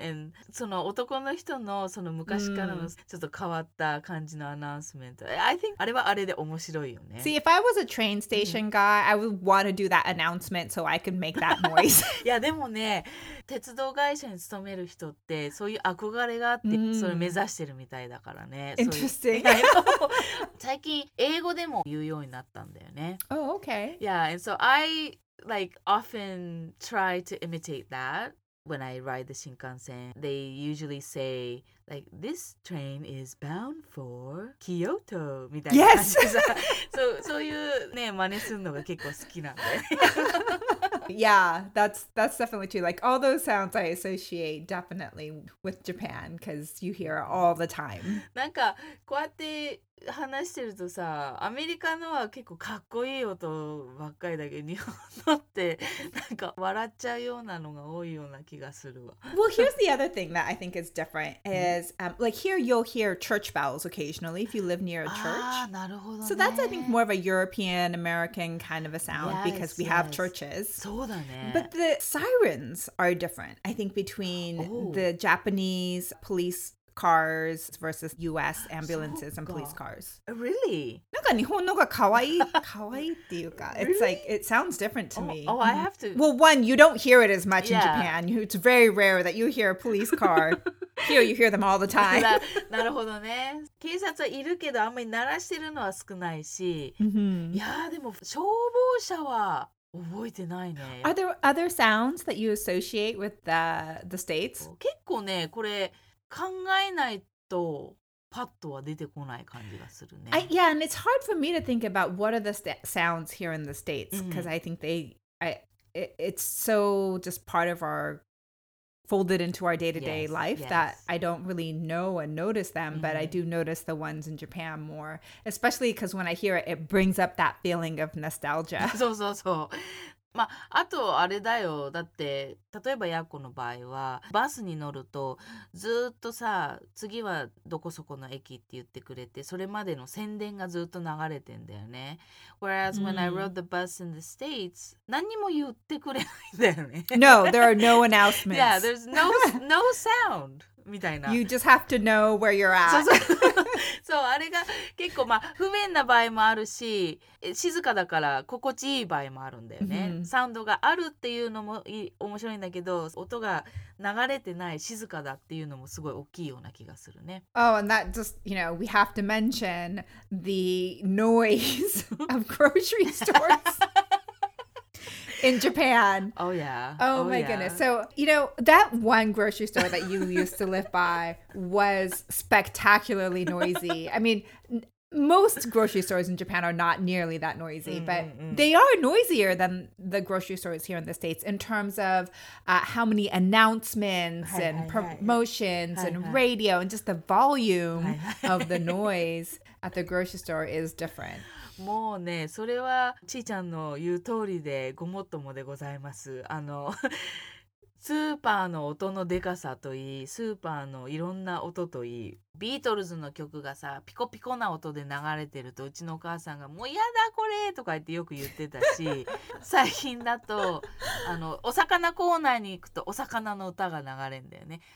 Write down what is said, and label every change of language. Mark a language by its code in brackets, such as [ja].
[ja] And その男の人のその昔からのちょっと変わった感じのアナウンスメント。 [en] I think [ja] あれはあれで面白いよね。 [en] See, if I was a train station guy, I would want to do that announcement so I could make that noise. [ja] いやでもね、鉄道会社に勤める人ってそういう憧れがあってそれ目指してるみたいだからね。 [en] Interesting. [ja] 最近英語でも言うようになったんだよね。 [en] Oh, okay. Yeah, and so I like often try to imitate that when I ride the Shinkansen. They usually say like, this train is bound for Kyoto. [ja] みたいな。 [en] Yes. [ja] そういうね、真似するのが結構好きなんで。 [en] Yeah, that's definitely true. Like all those sounds I associate definitely with Japan because you hear it all the time. [ja] なんかこうやって話してるとさ、アメリカのは結構かっこいい音ばっかりだけど、日本のってなんか笑っちゃうようなのが多いような気がするわ。 [en] Well, here's the other thing that I think is different is like here you'll hear church bells occasionally if you live near a church. [ja] あー、なるほどね。 [en] So that's I think more of a European American kind of a sound because we have churches. [ja] そうだね。 [en] But the sirens are different, I think, between the Japanese police cars versus US ambulances and police cars. Really? [ja] なんか日本のが可愛い、可愛いっていうか。 [en] Really? It's like, it sounds different to me. Oh, I have to. Well, one, you don't hear it as much in Japan. It's very rare that you hear a police car. Here, you hear them all the time. [ja] なるほどね。警察はいるけど、あんまり鳴らしてるのは少ないし。 Mm-hmm. いやでも消防車は覚えてないね。 [en] Are there other sounds that you associate with the states? [ja] 結構ね、これ考えないとパッとは出てこない感じがするね。 [en] Yeah, and it's hard for me to think about what are the sounds here in the states, because I think it's so just part of our folded into our day-to-day life that I don't really know and notice them, but I do notice the ones in Japan more, especially because when I hear it, it brings up that feeling of nostalgia. [ja] そうそうそう。まあ、あとあれだよ。だって、例えばヤコの場合は、バスに乗るとずっとさ、次はどこそこの駅って言ってくれて、それまでの宣伝がずっと流れてんだよね。 [en] Whereas when I rode the bus in the States, [ja] 何にも言ってくれないんだよね。 [en] No, there are no announcements. Yeah, there's no sound. みたいな。 You just have to know where you're at. [ja] そうそう。そう、あれが結構まあ不便な場合もあるし、静かだから心地いい場合もあるんだよね。サウンドがあるっていうのも面白いんだけど、音が流れてない静かだっていうのもすごい大きいような気がするね。 [en] Oh, and that just, you know, we have to mention the noise of grocery stores in Japan. Oh, yeah. Oh, my goodness. So, you know, that one grocery store that you used to live by was spectacularly noisy. I mean, most grocery stores in Japan are not nearly that noisy, but they are noisier than the grocery stores here in the States in terms of how many announcements and promotions and radio and just the volume of the noise at the grocery store is different. [ja] もうね、それはちーちゃんの言う通りでごもっともでございます。あのスーパーの音のでかさといい、スーパーのいろんな音といい、ビートルズの曲がさ、ピコピコな音で流れてると、うちのお母さんがもうやだこれとか言ってよく言ってたし最近だとあのお魚コーナーに行くとお魚の歌が流れんだよね。